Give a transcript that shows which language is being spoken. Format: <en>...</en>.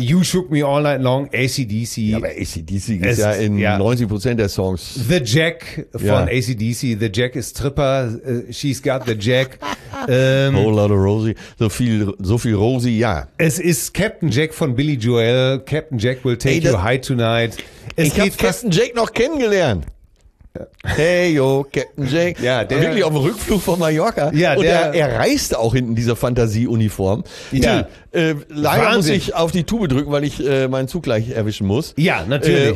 <en>You Shook Me All Night Long, AC/DC.</en> <de>Ja, aber AC/DC ist ja in 90% der Songs. The Jack von AC/DC. The Jack ist Tripper.</de> <en>She's got the Jack. Whole lot of Rosie.</en> <de>So viel Rosie, ja. Es ist Captain Jack von Billy Joel.</de> <en>Captain Jack will take you high tonight.</en> <de>Ich habe Captain Jack noch kennengelernt.</de> <en>Hey yo, Captain Jack.</en> <de>Ja, der wirklich auf dem Rückflug von Mallorca. Ja, und er reiste auch hinten dieser Fantasieuniform. Ja. Leider muss ich auf die Tube drücken, weil ich meinen Zug gleich erwischen muss. Ja, natürlich.</de>